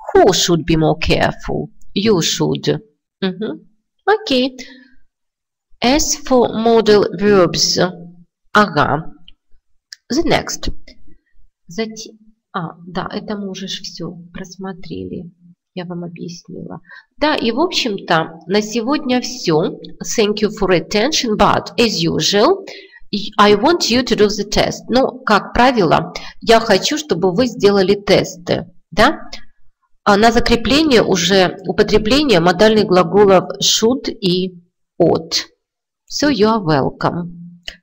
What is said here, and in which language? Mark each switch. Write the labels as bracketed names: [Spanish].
[English] Who should be more careful? You should. Окей. As for modal verbs. Ага. The next. [Russian] Да, это мы уже все просмотрели. Я вам объяснила. Да, и в общем-то, на сегодня все. [English] Thank you for attention, but as usual, I want you to do the test. [Russian] Ну, как правило, я хочу, чтобы вы сделали тесты. Да? На закрепление уже употребление модальных глаголов should и ought. [English] So you are welcome.